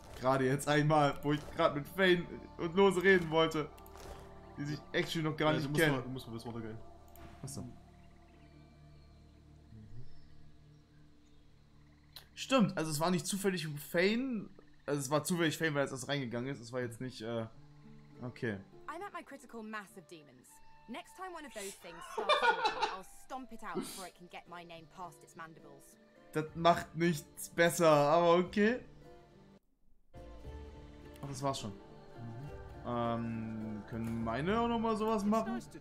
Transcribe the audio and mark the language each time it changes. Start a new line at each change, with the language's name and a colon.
German: Gerade jetzt einmal, wo ich gerade mit Fane und Lose reden wollte. Die sich echt schon noch gar nicht kennen. Du musst mal bis runter gehen. Achso. Stimmt, also es war nicht zufällig Fane. Also es war zufällig Fane, weil es erst reingegangen ist. Es war jetzt nicht, okay.
English: I'm at my critical mass of demons. Next time one of those things starts, I'll stomp it out before it can get my name past its mandibles.
German: Das macht nichts besser, aber okay. Ach, das war's schon. Mhm. Können meine auch nochmal sowas machen?